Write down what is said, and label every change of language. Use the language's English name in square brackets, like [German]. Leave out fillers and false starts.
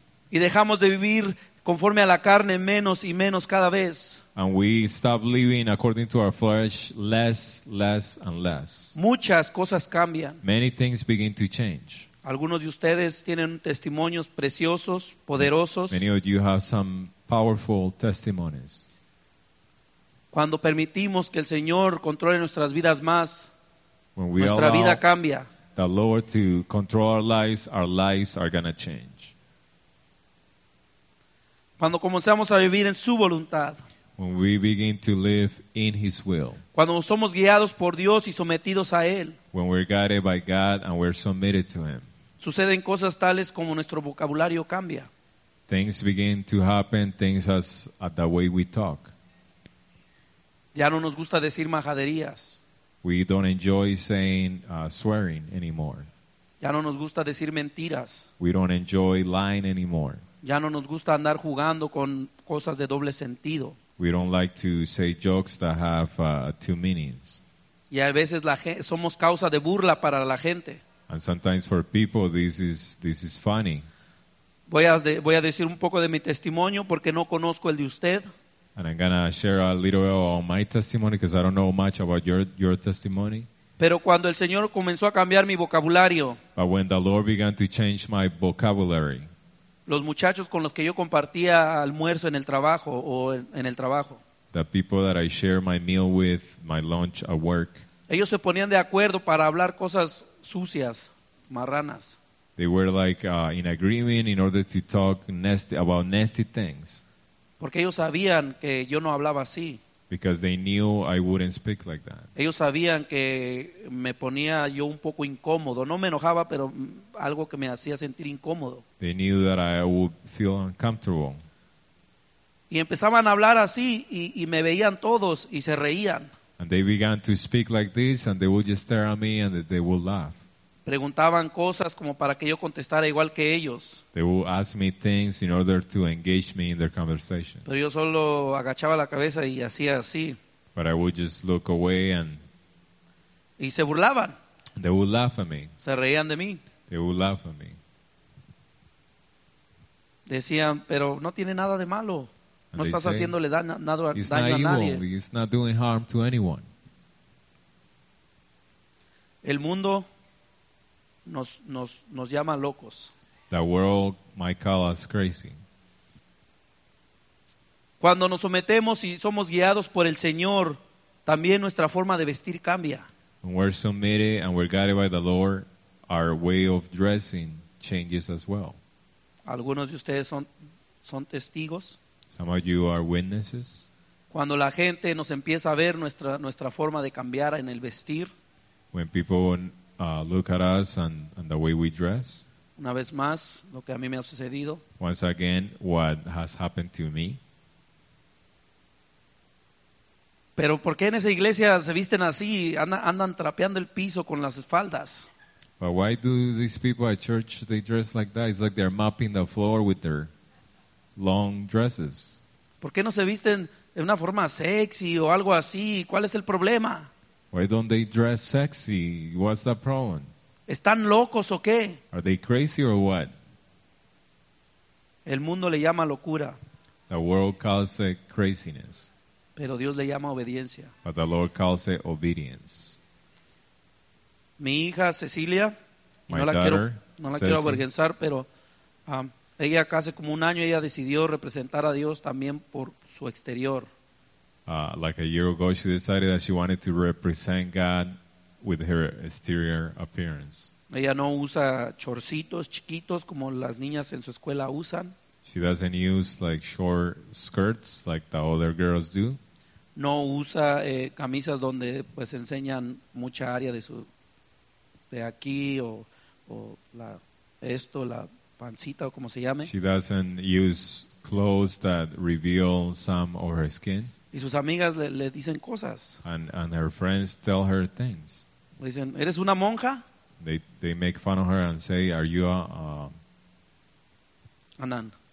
[Spanish] Y dejamos de vivir conforme a la carne menos y menos cada vez. [English] And we stop living according to our flesh less, less and less. [Spanish] Muchas cosas cambian. [English] Many things begin to change. [Spanish] Algunos de ustedes tienen testimonios preciosos, poderosos. [English] Many of you have some powerful testimonies. [Spanish] Cuando permitimos que el Señor controle nuestras vidas más, nuestra vida cambia. [English] The Lord to control our lives are going to change. [Spanish] Cuando comenzamos a vivir en su voluntad. [English] When we begin to live in his will. [Spanish] Cuando somos guiados por Dios y sometidos a él. [English] When we're guided by God and we're submitted to him. [Spanish] Suceden cosas tales como nuestro vocabulario cambia. [English] Things begin to happen, things as the way we talk. [Spanish] Ya no nos gusta decir majaderías. [English] We don't enjoy saying swearing anymore. [Spanish] Ya no nos gusta decir mentiras. [English] We don't enjoy lying anymore. [Spanish] Ya no nos gusta andar jugando con cosas de doble sentido. [English] We don't like to say jokes that have two meanings. [Spanish] Y a veces somos causa de burla para la gente. [English] And sometimes for people, this is funny. [Spanish] Voy a decir un poco de mi testimonio porque no conozco el de usted. [English] And I'm going to share a little of my testimony because I don't know much about your testimony. [Spanish] Pero cuando el Señor comenzó a cambiar mi vocabulario, [English] but when the Lord began to change my vocabulary, [Spanish] los muchachos con los que yo compartía almuerzo en el trabajo o en el trabajo, [English] the people that I share my meal with, my lunch at work, [Spanish] ellos se ponían de acuerdo para hablar cosas sucias, marranas. [English] They were like in agreement in order to talk nasty, about nasty things. [Spanish] Porque ellos sabían que yo no hablaba así. [English] Because they knew I wouldn't speak like that. [Spanish] Ellos sabían que me ponía yo un poco incómodo. No me enojaba, pero algo que me hacía sentir incómodo. [English] They knew that I would feel uncomfortable. [Spanish] Y empezaban a hablar así y me veían todos y se reían. [English] And they began to speak like this and they would just stare at me and they would laugh. [Spanish] Preguntaban cosas como para que yo contestara igual que ellos. [English] They would ask me things in order to engage me in their conversation. [Spanish] Pero yo solo agachaba la cabeza y hacía así. [English] But I would just look away and... [Spanish] Y se burlaban. [English] They would laugh at me. [Spanish] Se reían de mí. [English] They would laugh at me. [Spanish] Decían, pero no tiene nada de malo. No estás haciéndole daño a nadie. [English] It's not doing harm to anyone. [Spanish] El mundo... Nos llama locos. [English] The world might call us crazy. [Spanish] Cuando nos sometemos y somos guiados por el Señor, también nuestra forma de vestir cambia. [English] When we're submitted and we're guided by the Lord, our way of dressing changes as well. [Spanish] Algunos de ustedes son testigos. [English] Some of you are witnesses. [Spanish] Cuando la gente nos empieza a ver nuestra forma de cambiar en el vestir. [English] When people look at us and the way we dress. [Spanish] Una vez más, lo que a mí me ha sucedido. [English] Once again, what has happened to me. [Spanish] Pero ¿por qué en esa iglesia se visten así? Andan trapeando el piso con las faldas. [English] But why do these people at church, they dress like that? It's like they're mopping the floor with their long dresses. [Spanish] ¿Por qué no se visten de una forma sexy o algo así? ¿Cuál es el problema? [English] Why don't they dress sexy? What's the problem? [Spanish] ¿Están locos o qué? [English] Are they crazy or what? [Spanish] El mundo le llama locura. [English] The world calls it craziness. [Spanish] Pero Dios le llama obediencia. [English] But the Lord calls it obedience. [Spanish] Mi hija Cecilia, [English] my [Spanish] no la quiero avergonzar, pero ella hace como un año ella decidió representar a Dios también por su exterior. [English] Like a year ago, she decided that she wanted to represent God with her exterior appearance. [Spanish] Ella no usa chorcitos chiquitos como las niñas en su escuela usan. [English] She doesn't use like short skirts like the other girls do. [Spanish] No usa camisas donde pues enseñan mucha área de su de aquí o la esto la pancita o como se llame. [English] She doesn't use clothes that reveal some of her skin. [Spanish] Y sus amigas le dicen cosas. [English] And her friends tell her things. [Spanish] Le dicen, ¿eres una monja? [English] They make fun of her and say, are you a nun?